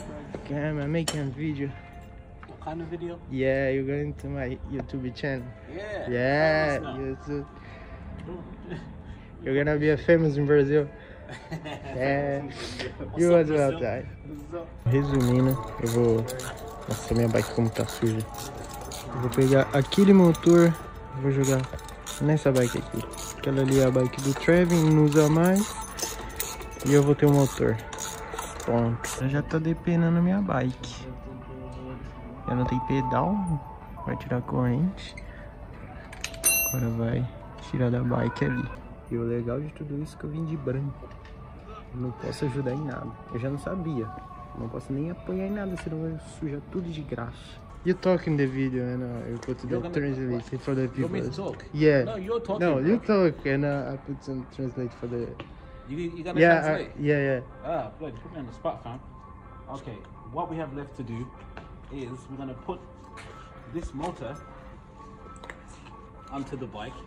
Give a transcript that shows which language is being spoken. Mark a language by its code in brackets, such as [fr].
[en] up, man? Okay, I'm making a video. What kind of video? Yeah, you're going to my YouTube channel. Yeah. Yeah, YouTube. You're gonna be a famous in Brazil. [pt] É, e o resumindo, eu vou mostrar minha bike como tá suja. Eu vou pegar aquele motor, vou jogar nessa bike aqui. Aquela ali é a bike do Trevin, não usa mais. E eu vou ter um motor. Pronto. Eu já tô depenando minha bike. Eu não tenho pedal, vai tirar a corrente. Agora vai tirar da bike ali. E o legal de tudo isso é que eu vim de branco. Não posso ajudar em nada. Eu já não sabia. Não posso nem apanhar em nada, senão eu sujo tudo de graça. [en] You talk in the video, and I put the translation for the people. You want me to talk? Yeah. No, you're talking. No, you talk, and I put some translate for the... You gotta translate? Yeah, yeah. Ah, blood, put me on the spot, fam. Okay, what we have left to do is we're gonna put this motor onto the bike.